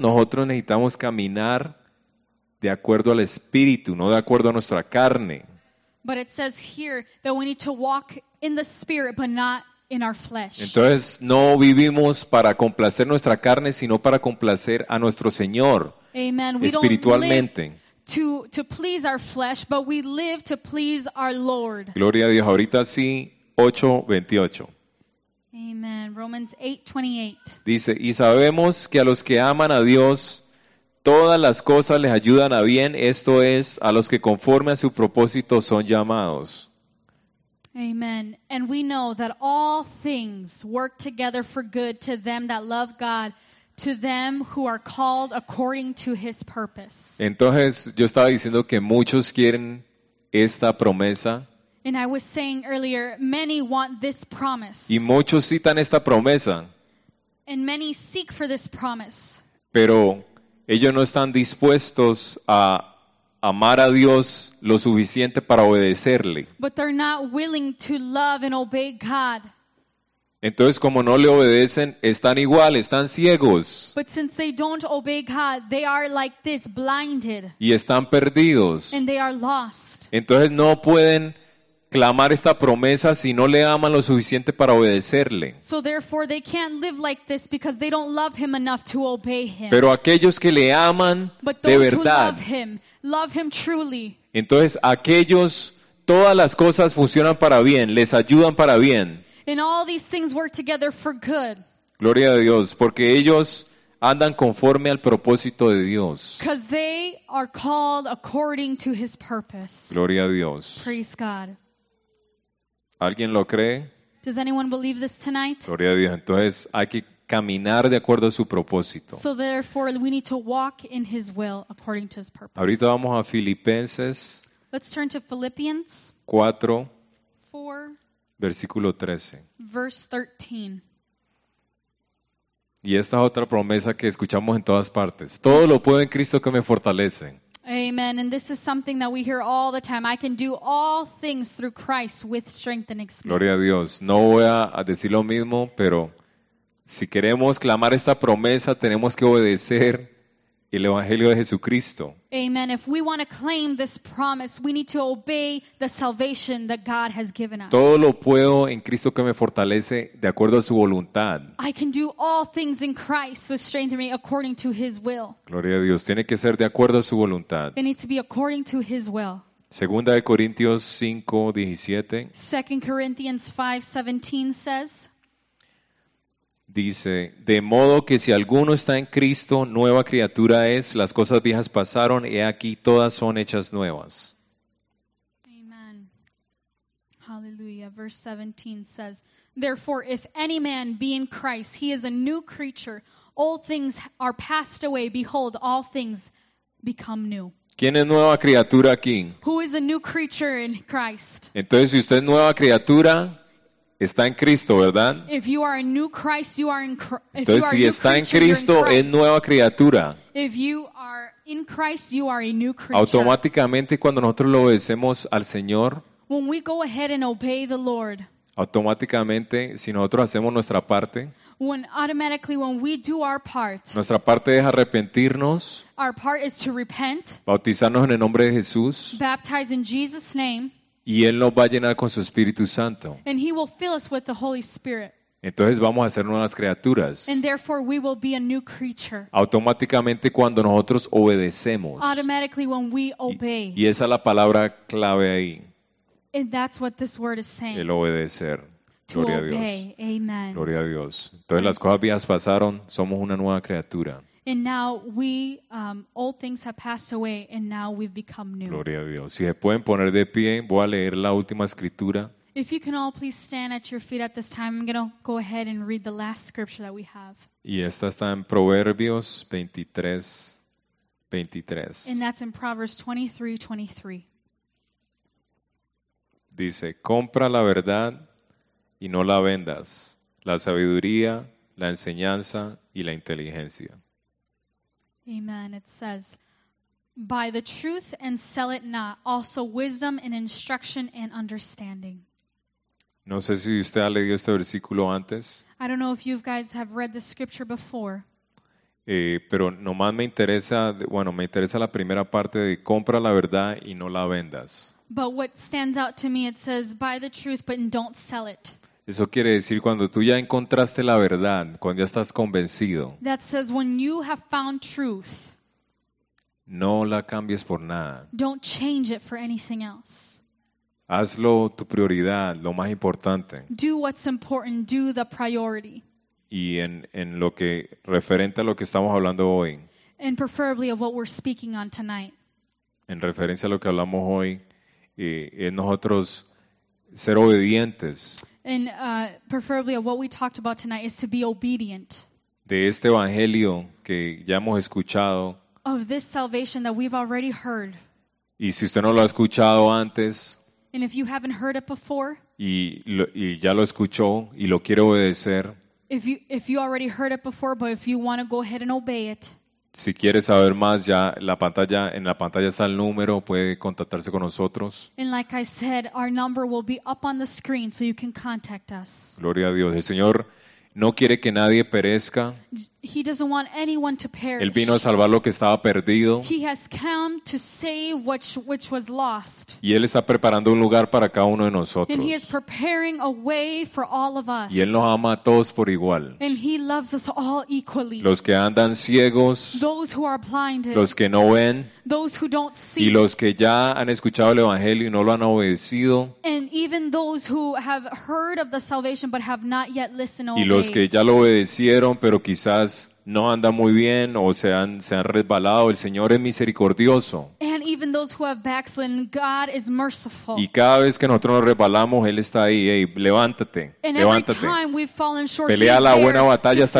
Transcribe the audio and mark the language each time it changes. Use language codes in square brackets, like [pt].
[es] Nosotros necesitamos caminar de acuerdo al Espíritu, no de acuerdo a nuestra carne. [en] But it says here that we need to walk in the Spirit, but not in our flesh. [es] Entonces no vivimos para complacer nuestra carne, sino para complacer a nuestro Señor. Amen. Espiritualmente. [en] We don't live to please our flesh, but we live to please our Lord. [es] Gloria a Dios. Ahorita sí, 8:28. [en] Amen. Romans 8:28. [es] Dice, y sabemos que a los que aman a Dios, todas las cosas les ayudan a bien, esto es, a los que conforme a su propósito son llamados. Amen. [en] And we know that all things work together for good to them that love God, to them who are called according to his purpose. [es] Entonces, yo estaba diciendo que muchos quieren esta promesa. [en] And I was saying earlier, many want this promise. [es] Y muchos citan esta promesa. [en] And many seek for this promise. [es] Pero ellos no están dispuestos a amar a Dios lo suficiente para obedecerle. [en] But they're not willing to love and obey God. [es] Entonces, como no le obedecen, están igual, están ciegos. [en] But since they don't obey God, they are like this, blinded. [es] Y están perdidos. [en] And they are lost. [es] Entonces, no pueden clamar esta promesa si no le aman lo suficiente para obedecerle. [en] So therefore, they can't live like this because they don't love him enough to obey him. [es] Pero aquellos que le aman de verdad, [en] love him truly. [es] Entonces aquellos, todas las cosas funcionan para bien, les ayudan para bien. [en] And all these things work together for good. [es] Gloria a Dios, porque ellos andan conforme al propósito de Dios. [en] Because they are called according to his purpose. [es] Gloria a Dios. [en] Praise God. [es] ¿Alguien lo cree? [en] Does anyone believe this tonight? [es] Gloria a Dios. Entonces hay que caminar de acuerdo a su propósito. [en] So therefore we need to walk in his will according to his purpose. [es] Ahorita vamos a Filipenses. [en] Let's turn to Philippians 4. 4. [es] Versículo 13. [en] Verse 13. [es] Y esta es otra promesa que escuchamos en todas partes. Todo lo puedo en Cristo que me fortalece. Amen. [en] And this is something that we hear all the time. I can do all things through Christ with strength and experience. [es] Gloria a Dios. No voy a decir lo mismo, pero si queremos clamar esta promesa, tenemos que obedecer el Evangelio de Jesucristo. Amen. [en] If we want to claim this promise, we need to obey the salvation that God has given us. [es] Todo lo puedo en Cristo que me fortalece de acuerdo a su voluntad. [en] I can do all things in Christ that strengthen me according to his will. [es] Gloria a Dios. Tiene que ser de acuerdo a su voluntad. [en] It needs to be according to his will. [es] Segunda de Corintios 5:17. [en] 2 Corinthians 5:17 says. [es] Dice, de modo que si alguno está en Cristo, nueva criatura es, las cosas viejas pasaron, he aquí todas son hechas nuevas. Amen. Hallelujah. [en] Verse 17 says, therefore, if any man be in Christ, he is a new creature. Old things are passed away. Behold, all things become new. [es] ¿Quién es nueva criatura aquí? [en] Who is a new creature in Christ? [es] Entonces, si usted es nueva criatura, está en Cristo, ¿verdad? [en] If you are a new Christ, you are in Christ. [es] Entonces, si está en Cristo, es nueva criatura. [en] If you are in Christ, you are a new creature. [es] Automáticamente, cuando nosotros lo obedecemos al Señor, [en] when we go ahead and obey the Lord, [es] automáticamente, si nosotros hacemos nuestra parte, [en] when automatically when we do our part, [es] nuestra parte es arrepentirnos, [en] our part is to repent, [es] bautizarnos en el nombre de Jesús, [en] baptize in Jesus' name, [es] Y Él nos va a llenar con su Espíritu Santo. [en] And he will fill us with the Holy Spirit. [es] Entonces vamos a ser nuevas criaturas. [en] And therefore we will be a new creature. [es] Automáticamente cuando nosotros obedecemos. [en] Automatically when we obey. [es] Y esa es la palabra clave ahí. [en] And that's what this word is saying. [es] El obedecer. Gloria a Dios. Amen. Gloria a Dios. Entonces las cosas viejas pasaron, somos una nueva criatura. [en] And now we all things have passed away and now we've become new. [es] Gloria a Dios. Si se pueden poner de pie, voy a leer la última escritura. [en] If you can all please stand at your feet at this time, I'm going to go ahead and read the last scripture that we have. [es] Y esta está en Proverbios 23:23. [en] And that's in Proverbs 23:23. [es] Dice, "Compra la verdad y no la vendas, la sabiduría, la enseñanza y la inteligencia." Amen. [en] It says, "Buy the truth and sell it not, also wisdom and instruction and understanding." [es] No sé si usted ha leído este versículo antes. [en] I don't know if you guys have read the scripture before. [es] Pero nomás me interesa, bueno, me interesa la primera parte de compra la verdad y no la vendas. [en] But what stands out to me, it says, buy the truth, but don't sell it. [es] Eso quiere decir cuando tú ya encontraste la verdad, cuando ya estás convencido. [en] That says when you have found truth. [es] No la cambies por nada. [en] Don't change it for anything else. [es] Hazlo tu prioridad, lo más importante. [en] Do what's important, do the priority. [es] Y en lo que referente a lo que estamos hablando hoy. [en] And preferably of what we're speaking on tonight. [es] En referencia a lo que hablamos hoy, en nosotros ser obedientes. [en] And preferably of what we talked about tonight is to be obedient. [es] De este evangelio que ya hemos escuchado. [en] Of this salvation that we've already heard. [es] Y si usted no lo ha escuchado antes. [en] And if you haven't heard it before, [es] y ya lo escuchó y lo quiere obedecer. [en] If you already heard it before, but if you want to go ahead and obey it. [es] Si quiere saber más, ya en la pantalla está el número, puede contactarse con nosotros. [en] And like I said, our number will be up on the screen, so you can contact us. [es] Gloria a Dios, el Señor no quiere que nadie perezca. [en] He doesn't want anyone to perish. [es] Él vino a salvar lo que estaba perdido. [en] He has come to save which was lost. [es] Y Él está preparando un lugar para cada uno de nosotros. [en] And he is preparing a way for all of us. [es] Y Él nos ama a todos por igual. [en] And he loves us all equally. [es] Los que andan ciegos. [en] Those who are blinded. [es] Los que no ven. [en] Those who don't see. [es] Y los que ya han escuchado el Evangelio y no lo han obedecido. [en] And even those who have heard of the salvation but have not yet listened or obeyed. [es] Y los que ya lo obedecieron pero quizás no anda muy bien o se han resbalado. El Señor es misericordioso. [en] And even those who have backslidden, God is merciful. [es] Y cada vez que nosotros nos resbalamos, Él está ahí. Hey, levántate. [en] And [es] levántate. [en] Every time we've fallen short, [es] pelea la buena batalla hasta